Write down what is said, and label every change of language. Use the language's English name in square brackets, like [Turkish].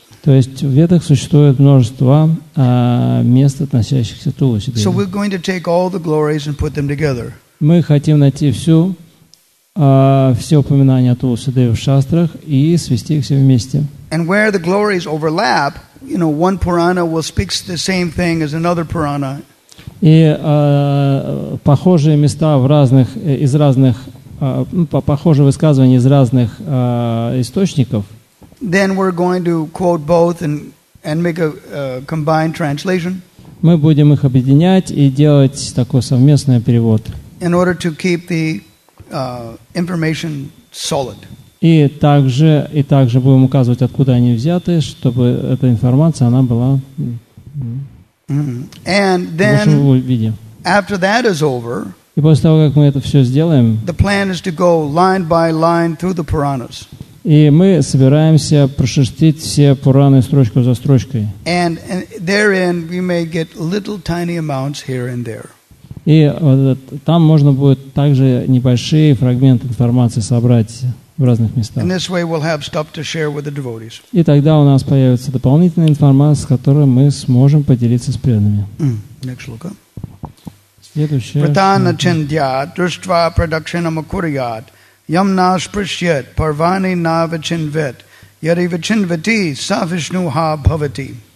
[Russian] То есть в Ведах существует множество мест, относящихся к Туласи Деви. [English] So we're going to take all the glories and put them together. [Russian] Мы хотим найти все упоминания о Туласи Деви в шастрах и свести их все вместе. [English] And where the glories overlap, you know, one Purana will speak the same thing as another Purana. [Russian] И похожие места в разных, из разных, похожие высказывания из разных источников. [English] Then we're going to quote both and make a combined translation. [Russian] Мы будем их объединять и делать такой совместный перевод. [English] In order to keep the information solid. [Russian] И также будем указывать, откуда они взяты, чтобы эта информация она была [English] And then, [Russian] в лучшем виде. [English] After that is over, [Russian] и после того, как мы это все сделаем, [English] the plan is to go line by line through the Puranas. [Russian] И мы собираемся прошерстить все Пураны строчку за строчкой. [English] And therein we may get little tiny amounts here and there. [Russian] И там можно будет также небольшие фрагменты информации собрать в разных местах. [English] And this way we'll have stuff to share with the devotees. [Russian] И тогда у нас появится дополнительная информация, с которой мы сможем поделиться с преданными. [English] Next look. [Russian] Следующая. [Sanskrit] Пратана чиндья друштва продакшина макурьят. Yamna Sprishyat Parvani Navachinvet Yarivachinvati Savishnuha Bhavati.